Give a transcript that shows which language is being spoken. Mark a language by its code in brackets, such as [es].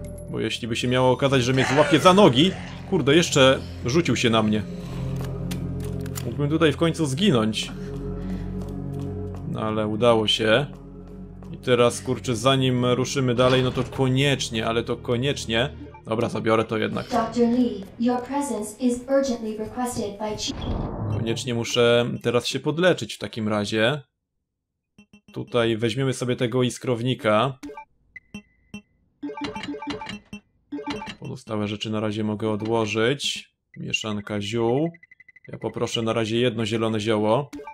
[pl] Bo jeśli by się miało okazać, że mnie złapie za nogi, kurde, jeszcze rzucił się na mnie. Mógłbym tutaj w końcu zginąć. No ale udało się. I teraz, kurczę, zanim ruszymy dalej, no to koniecznie, ale to koniecznie. Dobra, zabiorę to jednak. [en] Dr. Lee, your presence is urgently requested by Chief. [pl] Koniecznie muszę teraz się podleczyć w takim razie. Tutaj weźmiemy sobie tego iskrownika. Pozostałe rzeczy na razie mogę odłożyć. Mieszanka ziół. Ja poproszę na razie jedno zielone zioło.